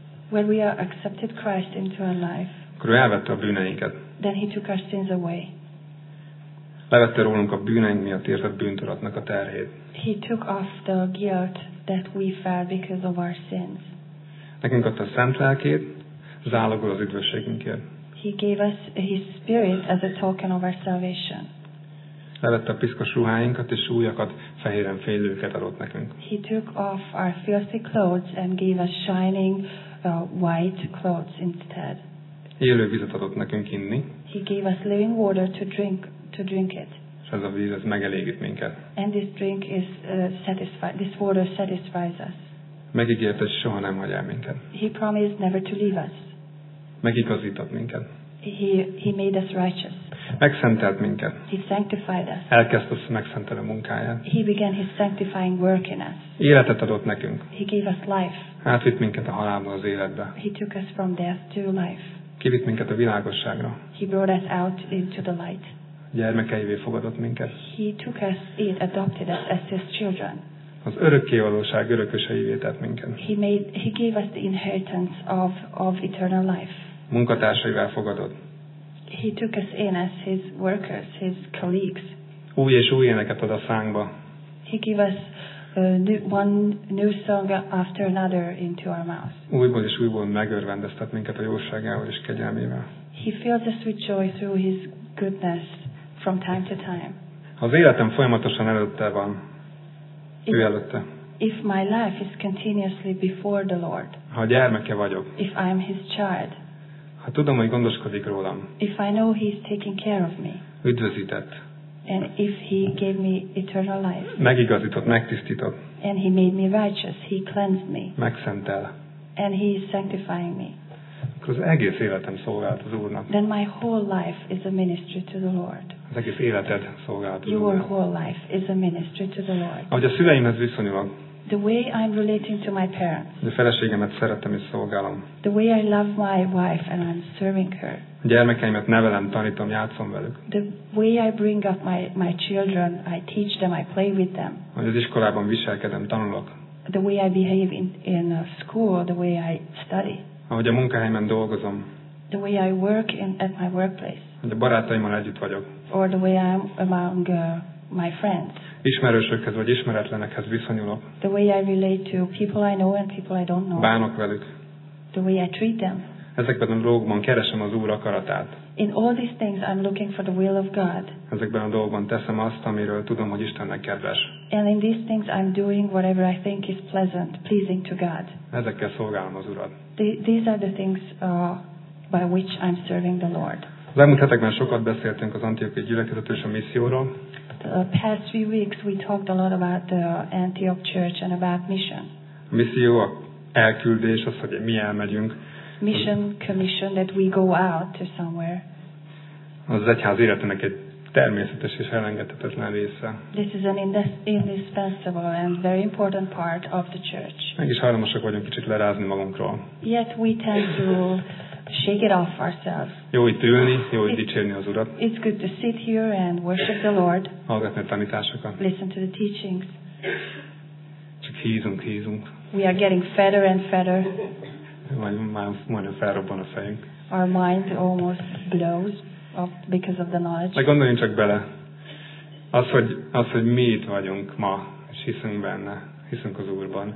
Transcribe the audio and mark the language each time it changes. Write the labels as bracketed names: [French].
[English] When we are accepted Christ into our life. [Hungarian] Akkor ő elvette a bűneinket. [English] Then he took our sins away. [Hungarian] Levette rólunk a bűneink miatt érzett bűntudatnak a terhét. [English] He took off the guilt that we felt because of our sins. [Hungarian] Nekünk adta a Szent Lelkét, zálogul az üdvösségünkért. [English] He gave us his spirit as a token of our salvation. [Hungarian] Levette a piszkos ruháinkat és újakat, fehéren fénylőket adott nekünk. [English] He took off our filthy clothes and gave us shining white clothes instead. [Hungarian] Élő vizet adott nekünk inni. [English] He gave us living water to drink it. [Hungarian] És ez a víz, ez megelégít minket. [English] And this drink is satisfied. This water satisfies us. [Hungarian] Megígérte, hogy soha nem hagy el minket. [English] He promised never to leave us. [Hungarian] Megigazított minket. [English] He made us righteous. [Hungarian] Megszentelt minket. [English] He sanctified us. [Hungarian] Elkezdte a megszentelő munkáját. [English] He began his sanctifying work in us. [Hungarian] Életet adott nekünk. [English] He gave us life. [Hungarian] Átvitt minket a halálból az életbe. [English] He took us from death to life. [Hungarian] Kivitt minket a világosságra. [English] He brought us out into the light. [Hungarian] Gyermekeivé fogadott minket. [English] He took us, he adopted us as his children. [Hungarian] Az örökkévalóság örököseivé tett minket. [English] He gave us the inheritance of eternal life. [Hungarian] Munkatársaival fogadott. [English] He took us in as his workers, his colleagues. [Hungarian] Új és új éneket ad a szánkba. [English] He gave us one new song after another into our mouth. [Hungarian] Újból és újból megörvendeztet minket a jóságával és kegyelmével. [English] He fills us with joy through his goodness from time to time. [Hungarian] Az életem folyamatosan előtte van. [English] If my life is continuously before the Lord, [Hungarian] ha gyermeke vagyok, [English] if I am his child, [Hungarian] ha tudom, hogy gondoskodik rólam, [English] if I know he is taking care of me, [Hungarian] üdvözített, [English] and if he gave me eternal life, [Hungarian] megigazított, megtisztított, [English] and he made me righteous, he cleansed me, [Hungarian] megszentel, [English] and he is sanctifying me, [Hungarian] akkor az egész életem szolgált az Úrnak. [English] Then my whole life is a ministry to the Lord. [Hungarian] Az egész életed szolgált az Úrnak. [English] Your whole life is a ministry to the Lord. [Hungarian] Ahogy a szüleimhez viszonyulok. [English] The way I'm relating to my parents. [Hungarian] A feleségemet szeretem és szolgálom. [English] The way I love my wife and I'm serving her. [Hungarian] A gyermekeimet nevelem, tanítom, játszom velük. [English] The way I bring up my children, I teach them, I play with them. [Hungarian] Ahogy az iskolában viselkedem, tanulok. [English] The way I behave in school, the way I study. [Hungarian] Ahogy a munkahelyemen dolgozom. [English] The way I work at my workplace. [Hungarian] Ahogy a barátaimmal együtt vagyok. [English] Or the way I'm among my friends. [Hungarian] Ismerősökhez vagy ismeretlenekhez viszonyulok. [English] The way I relate to people I know and people I don't know. [Hungarian] Bánok velük. [English] The way I treat them. [Hungarian] Ezekben a dolgokban keresem az Úr akaratát. [English] In all these things I'm looking for the will of God. [Hungarian] Ezekben a dolgokban teszem azt, amiről tudom, hogy Istennek kedves. [English] And in these things I'm doing whatever I think is pleasant, pleasing to God. [Hungarian] Ezekkel szolgálom az Urat. [English] These are the things by which I'm serving the Lord. [Hungarian] Az elmúlt hetekben sokat beszéltünk az antiochiai gyülekezetről és a misszióról. [English] The past three weeks we talked a lot about the Antioch church and about mission. [Hungarian] A misszió, a elküldés, az, hogy mi elmegyünk. [English] Mission, commission, that we go out to somewhere. [Hungarian] Az egyház életének egy természetes és elengedhetetlen része. [English] This is an indispensable and very important part of the church. [Hungarian] Mégis hajlamosak vagyunk kicsit lerázni magunkról. [English] Yet we tend to shake it off ourselves. [Hungarian] Jó itt ülni, jó itt dicsérni az Urat. [English] It's good to sit here and worship the Lord. [Hungarian] Hallgatni a tanításokat. [English] Listen to the teachings. [Hungarian] Csak hízunk, hízunk. [English] We are getting fatter and fatter. [Hungarian] Majdnem felrobban a fejünk. [English] Our mind almost blows. Because of the knowledge. [Hungarian] De gondoljunk csak bele. Az, hogy mi itt vagyunk ma, és hiszünk benne, hiszünk az Úrban.